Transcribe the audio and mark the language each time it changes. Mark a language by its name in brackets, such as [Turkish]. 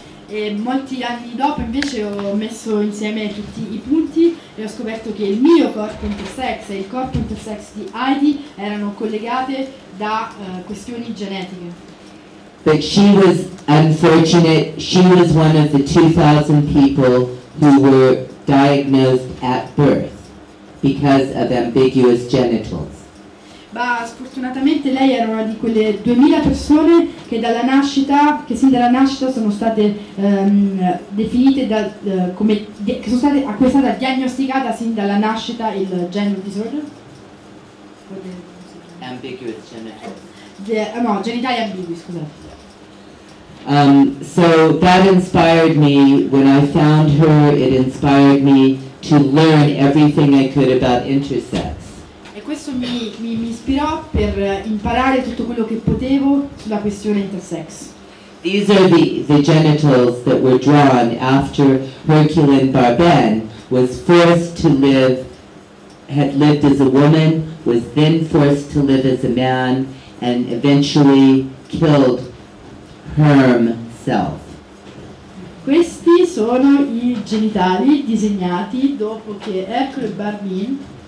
[Italian] E molti anni dopo invece ho messo insieme tutti i punti e ho scoperto che il mio corpo intersex e il corpo intersex di Heidi erano collegate da questioni genetiche. [English] But she was unfortunate. She was one of the 2,000 people who were diagnosed at birth because of ambiguous genitals. [Italian] Ma sfortunatamente lei era una di quelle 2000 persone che dalla nascita, che sin dalla nascita sono state definite da come che sono state acquistata diagnosticata sin dalla nascita il [English] gender disorder. Ambiguous [Italian] genitals. No, genitali ambigui, scusate. [English] So that inspired me when I found her, it inspired me to learn everything I could about intersex. [Italian] E questo mi ispirò per imparare tutto quello che potevo sulla questione intersex. [English] These are the genitals that were drawn after Herculin Barben was forced to live, had lived as a woman, was then forced to live as a man, and eventually killed herself. [Italian] Questi sono i genitali disegnati dopo che Hercule Barbin